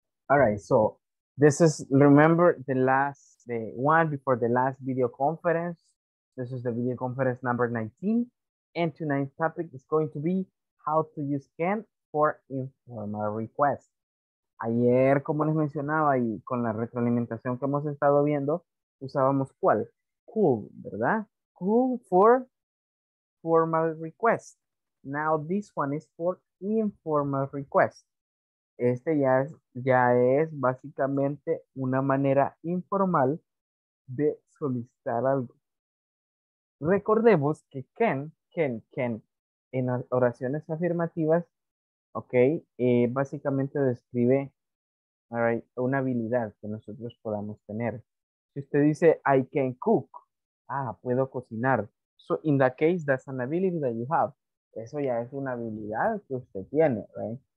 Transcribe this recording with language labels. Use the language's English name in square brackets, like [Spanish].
[English] All right, so this is, remember the last, the one before the last video conference. This is the video conference number 19. And tonight's topic is going to be how to use can for informal requests. [Spanish] Ayer, como les mencionaba, y con la retroalimentación que hemos estado viendo, usábamos cuál? [English] Could, [Spanish] ¿verdad? [English] Could for formal request. Now this one is for informal request. [Spanish] Este ya es básicamente una manera informal de solicitar algo. Recordemos que can en oraciones afirmativas, ok, básicamente describe, [English] all right, [Spanish] una habilidad que nosotros podamos tener. Si usted dice [English] I can cook, [Spanish] ah, puedo cocinar. [English] So in that case, that's an ability that you have. [Spanish] Eso ya es una habilidad que usted tiene, [English] right?